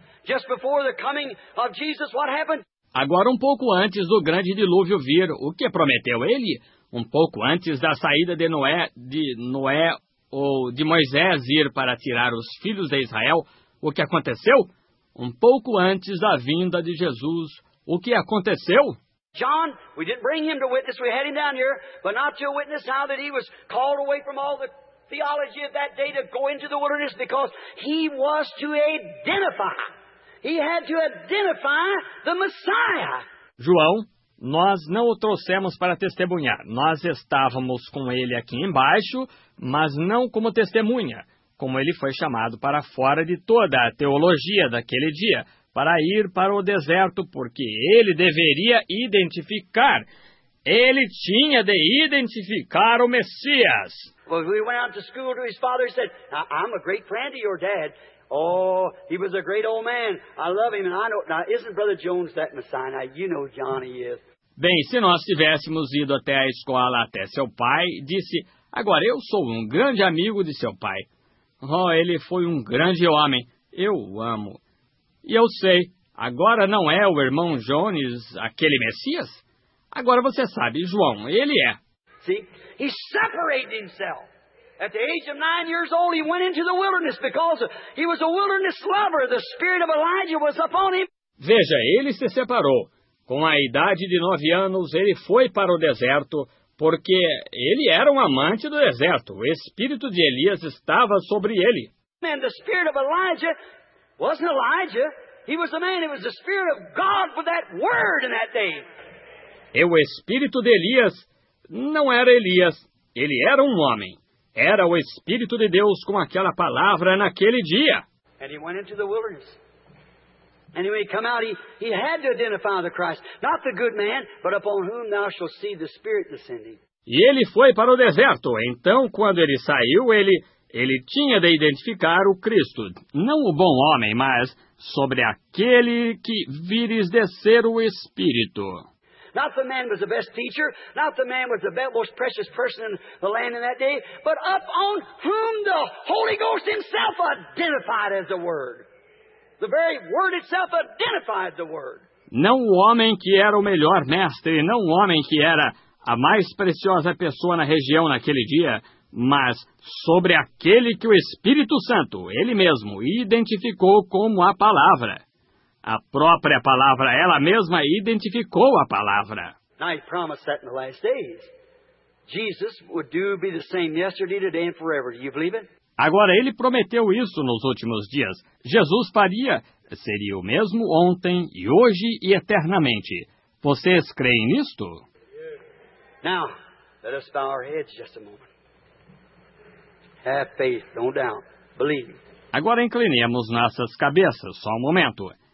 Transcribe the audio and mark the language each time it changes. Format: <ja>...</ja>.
<en>Just before the coming of Jesus, what happened?</en> <pt>Agora, um pouco antes do grande dilúvio vir, o que prometeu ele? Um pouco antes da saída de Noé ou de Moisés ir para tirar os filhos de Israel, o que aconteceu? Um pouco antes da vinda de Jesus, o que aconteceu?</pt> <en>John, we didn't bring him to witness, we had him down here, but not to witness now that he was called away from all the theology of that day to go into the wilderness because he was to identify. He had to identify the Messiah.</en> <pt>João, nós não o trouxemos para testemunhar. Nós estávamos com ele aqui embaixo, mas não como testemunha, como ele foi chamado para fora de toda a teologia daquele dia, para ir para o deserto, porque ele deveria identificar. Ele tinha de identificar o Messias.</pt> <en>Well, we went out to school to his father and said, I'm a great friend of your dad. Oh, he was a great old man. I love him and I know. Now, isn't Brother Jones that Messiah? Now, you know John, he is.</en> <pt>Bem, se nós tivéssemos ido até a escola, até seu pai, disse, agora eu sou um grande amigo de seu pai. Oh, ele foi um grande homem. Eu o amo. E eu sei, agora não é o irmão Jones aquele Messias? Agora você sabe, João, ele é.</pt> <en>See, he separated himself. At the age of 9 years old, he went into the wilderness because he was a wilderness lover. The spirit of Elijah was upon him.</en> <pt>Veja, ele se separou. Com a idade de 9 anos, ele foi para o deserto, porque ele era um amante do deserto. O espírito de Elias estava sobre ele.</pt> <en>And the spirit of Elijah wasn't Elijah. He was a man. It was the spirit of God with that word in that day.</en> <pt>E o espírito de Elias não era Elias. Ele era um homem. Era o espírito de Deus com aquela palavra naquele dia.</pt> <en>And he went into the wilderness. And when he came out, he had to identify the Christ, not the good man, but upon whom thou shalt see the Spirit descending.</en> <pt>E ele foi para o deserto. Então, quando ele saiu, ele tinha de identificar o Cristo, não o bom homem, mas sobre aquele que vires descer o Espírito.</pt> <en>Not the man was the best teacher, not the man was the most precious person in the land in that day, but upon whom the Holy Ghost himself identified as the Word. The very Word itself identified the Word.</en> <pt>Não o homem que era o melhor mestre, não o homem que era a mais preciosa pessoa na região naquele dia, mas sobre aquele que o Espírito Santo, ele mesmo, identificou como a palavra. A própria palavra, ela mesma, identificou a palavra.</pt> <en>Now he promised that in the last days. Jesus would do be the same yesterday, today and forever. Do you believe it?</en> <pt>Agora, ele prometeu isso nos últimos dias. Jesus faria, seria o mesmo ontem e hoje e eternamente. Vocês creem nisto?</pt> <en>Now, let us bow our heads just a moment. Have faith, don't doubt. Believe.</en> <pt>Agora inclinemos nossas cabeças, só um momento.</pt>